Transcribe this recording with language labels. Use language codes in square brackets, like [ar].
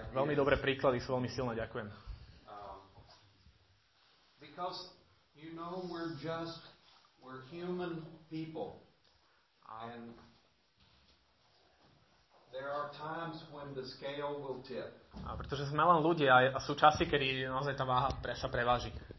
[sk] Veľmi dobré príklady, sú veľmi silné, ďakujem. [en] Because you know we're human people. And there are times when the scale will tip. [sk] A pretože sme len ľudia a sú časy, kedy naozaj tá váha sa preváži.